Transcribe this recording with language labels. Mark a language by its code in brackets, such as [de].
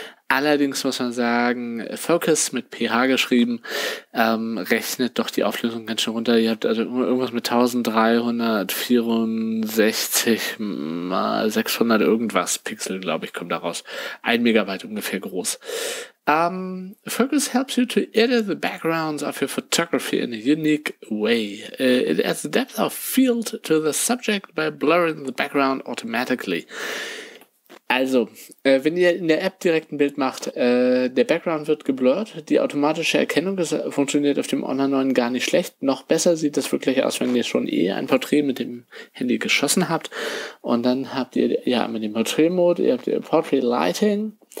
[de] Allerdings muss man sagen, Focus mit PH geschrieben, rechnet doch die Auflösung ganz schön runter. Ihr habt also irgendwas mit 1364 mal 600 irgendwas Pixel, glaube ich, kommt da raus. 1 Megabyte ungefähr groß. [en] Focus helps you to edit the backgrounds of your photography in a unique way. It adds depth of field to the subject by blurring the background automatically. [de] Also, wenn ihr in der App direkt ein Bild macht, der Background wird geblurrt. Die automatische Erkennung funktioniert auf dem Honor 9 gar nicht schlecht. Noch besser sieht das wirklich aus, wenn ihr schon eh ein Porträt mit dem Handy geschossen habt. Und dann habt ihr ja mit dem Portrait-Mode, ihr habt Portrait Lighting.